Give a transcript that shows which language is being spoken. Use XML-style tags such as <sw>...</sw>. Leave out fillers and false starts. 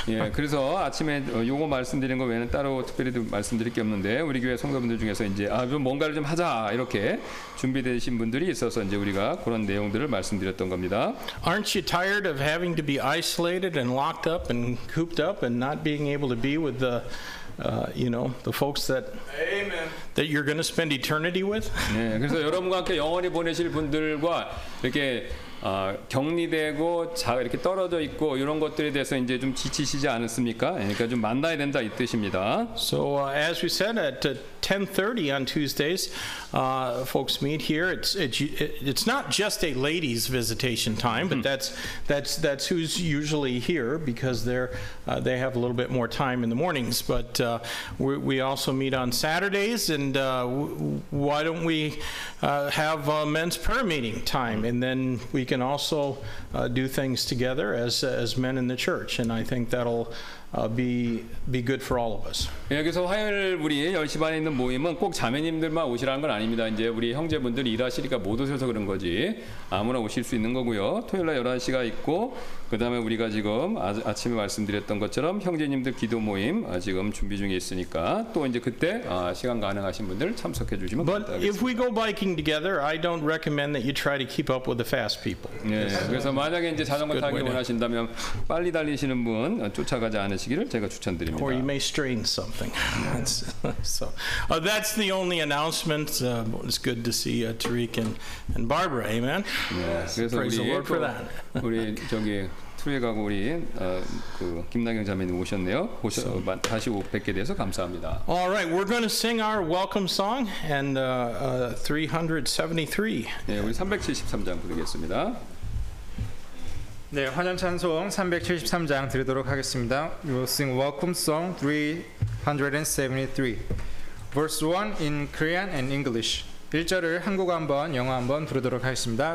<ko>예, 그래서 아침에 요거 말씀드린 거 외에는 따로 특별히도 말씀드릴 게 없는데 우리 교회 성도분들 중에서 이제 좀 뭔가를 좀 하자 이렇게 준비되신 분들이 있어서 이제 우리가 그런 내용들을 말씀드렸던 겁니다.</ko> <en>Aren't you tired of having to be isolated and locked up and cooped up and not being able to be with the you know, the folks that Amen. That you're going to spend eternity with?</en> <ko>예, 그래서 여러분과 함께 영원히 보내실 분들과 이렇게 격리되고 이렇게 떨어져 있고 이런 것들에 대해서 이제 좀 지치시지 않았습니까? 그러니까 좀 만나야 된다 이 뜻입니다.</ko> <en>So as we said at 10:30 on Tuesdays, folks meet here. It's not just a ladies' visitation time, but that's who's usually here because they have a little bit more time in the mornings. But we also meet on Saturdays, and why don't we have a men's prayer meeting time, and then we can also do things together as men in the church, and I think that'll be good for all of us.</en> <ko>예, 그래서 화요일 우리 10시 반에 있는 모임은 꼭 자매님들만 오시라는 건 아닙니다. 이제 우리 형제분들이 일하시니까 못 오셔서 그런 거지. 아무나 오실 수 있는 거고요. 토요일날 11시가 있고 그 다음에 우리가 지금 아침에 말씀드렸던 것처럼 형제님들 기도 모임 지금 준비 중에 있으니까 또 이제 그때 시간 가능하신 분들 참석해 주시면 감사하겠습니다.</ko> <en>But if we go biking together, I don't recommend that you try to keep up with the fast people.</en> <ko>예, 그래서 만약에 이제 자전거 타기 원하신다면 빨리 달리시는 분 쫓아가지 않으시기를 제가 추천드립니다.</ko> <en>Or you may strain something. So that's the only announcement. It's good to see Tariq and Barbara. Amen.</en> <ko>네,</ko> <en>praise the Lord for that.</en> <ko>우리 저기 트위가고 우리 그 김나경 자매님 오셨네요. 오셔 so, 다시 뵙게 돼서 감사합니다.</ko> <en>All right, we're going to sing our welcome song and 373.</en> <ko>네, 우리 373장 부르겠습니다. 네, 환영 찬송 373장 드리도록 하겠습니다.</ko> <en>We will sing welcome song 373. Verse 1 in Korean and English.</en> <ko>1절을 한국어 한번, 영어 한번 부르도록 하겠습니다.</ko>